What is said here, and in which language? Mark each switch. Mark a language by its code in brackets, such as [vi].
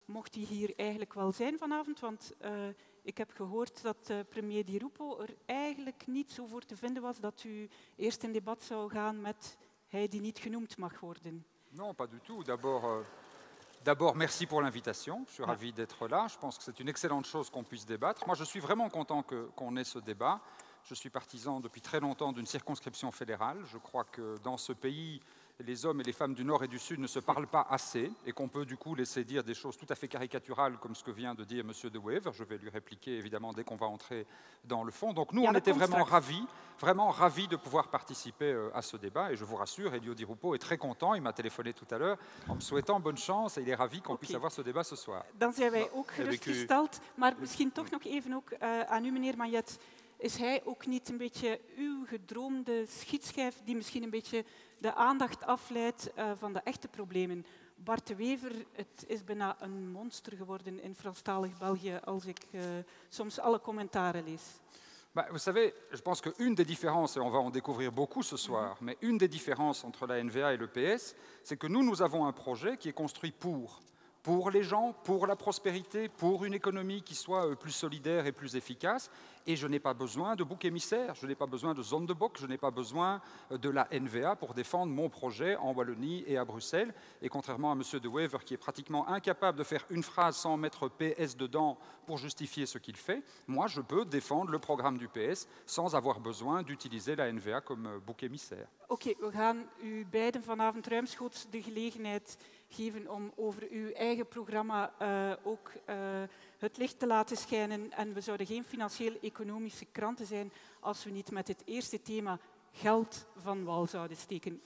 [nl] mocht hij hier eigenlijk wel zijn vanavond, want ik heb gehoord dat premier Di Rupo er eigenlijk niet zo voor te vinden was dat u eerst in debat zou gaan met hij die niet genoemd mag worden. [fr] Non, pas du tout. D'abord, merci pour l'invitation. Je suis ravi d'être là. Je pense que c'est une excellente chose qu'on puisse débattre. Moi, je suis vraiment content qu'on ait ce débat. Je suis partisan depuis très longtemps d'une circonscription fédérale. Je crois que dans ce pays, les hommes et les femmes du Nord et du Sud ne se parlent pas assez et qu'on peut du coup laisser dire des choses tout à fait caricaturales comme ce que vient de dire M. De Wever. Je vais lui répliquer évidemment dès qu'on va entrer dans le fond. Donc nous, on était vraiment ravis de pouvoir participer à ce débat. Et je vous rassure, Elio Di Rupo est très content. Il m'a téléphoné tout à l'heure en me souhaitant bonne chance et il est ravi qu'on puisse avoir ce débat ce soir. [nl] Dan zijn wij ook gerustgesteld, maar misschien toch nog even ook aan u, meneer Mayet. Is hij ook niet een beetje uw gedroomde schietschijf die misschien een beetje de aandacht afleidt van de echte problemen? Bart De Wever, het is bijna een monster geworden in Franstalig België als ik soms alle commentaren lees. [fr] Bah, vous savez, je pense qu'une des différences, et on va en découvrir beaucoup ce soir, mais une des différences entre la NVA et le PS, c'est que nous, nous avons un projet qui est construit pour les gens, pour la prospérité, pour une économie qui soit plus solidaire et plus efficace. Et je n'ai pas besoin de bouc émissaire, je n'ai pas besoin de zone de bock, je n'ai pas besoin de la NVA pour défendre mon projet en Wallonie et à Bruxelles. Et contrairement à M. De Wever, qui est pratiquement incapable de faire une phrase sans mettre PS dedans pour justifier ce qu'il fait, moi je peux défendre le programme du PS sans avoir besoin d'utiliser la NVA comme bouc émissaire. [nl] Ok, we gaan u beiden vanavond ruimschoots de gelegenheid geven om over uw eigen programma ook het licht te laten schijnen. En we zouden geen financieel-economische kranten zijn als we niet met het eerste thema geld van wal zouden steken.